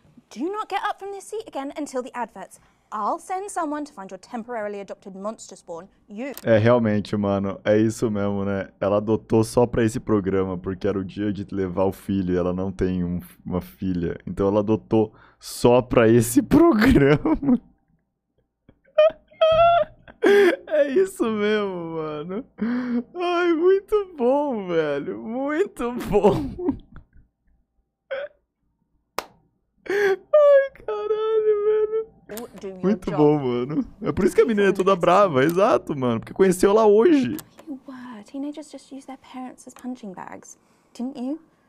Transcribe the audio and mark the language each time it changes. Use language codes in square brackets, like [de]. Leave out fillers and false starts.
[en] do not get up from this seat again until the adverts. I'll send someone to find your temporarily adopted monster spawn. You. [pt] É realmente, mano. É isso mesmo, né? Ela adotou só pra esse programa, porque era o dia de levar o filho. Ela não tem uma filha. Então ela adotou só pra esse programa. É isso mesmo, mano. Ai, muito bom, velho. Muito bom. Ai, caralho, velho. Muito bom, mano. É por isso que a menina é toda brava, exato, mano. Porque conheceu ela hoje. [en] You were. Teenagers just use their parents as punching bags, didn't you?